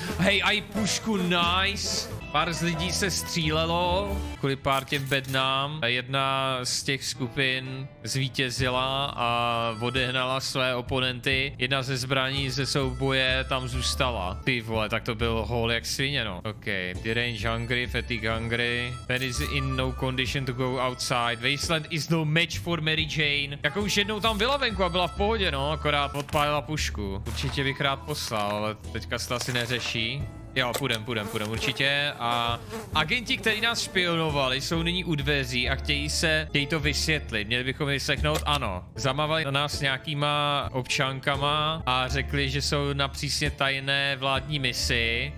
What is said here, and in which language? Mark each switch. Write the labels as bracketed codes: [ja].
[cs] Hej, aj pušku, nice! Pár z lidí se střílelo kvůli pár těm bednám. Jedna z těch skupin zvítězila a odehnala své oponenty. Jedna ze zbraní ze souboje tam zůstala. Ty vole, tak to byl hol jak svině, no. Okej, okay. [en] Range hungry, fatigue hungry. That is in no condition to go outside. Wasteland is no match for Mary Jane. [cs] Jako už jednou tam byla venku a byla v pohodě, no. Akorát odpálila pušku. Určitě bych rád poslal, ale teďka se to asi neřeší. Jo, půjdem určitě a agenti, kteří nás špionovali, jsou nyní u dveří a chtějí to vysvětlit. Měli bychom vyslechnout, ano. Zamávali na nás nějakýma občankama a řekli, že jsou na přísně tajné vládní misi.